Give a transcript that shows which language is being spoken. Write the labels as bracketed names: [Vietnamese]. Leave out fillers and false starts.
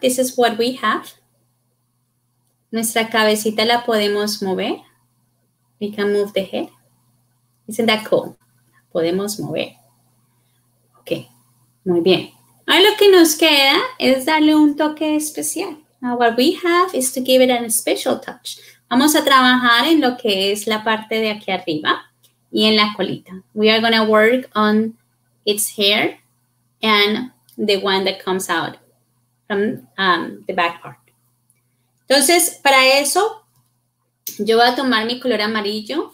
[English] This is what we have. [Spanish] Nuestra cabecita la podemos mover. [English] We can move the head. Isn't that cool? [Spanish] Podemos mover. [English] Okay. [Spanish] Muy bien. Ahora lo que nos queda es darle un toque especial. [English] Now what we have is to give it a special touch. [Spanish] Vamos a trabajar en lo que es la parte de aquí arriba y en la colita. [English] We are going to work on its hair and the one that comes out from the back part. [Spanish] Entonces, para eso, yo voy a tomar mi color amarillo.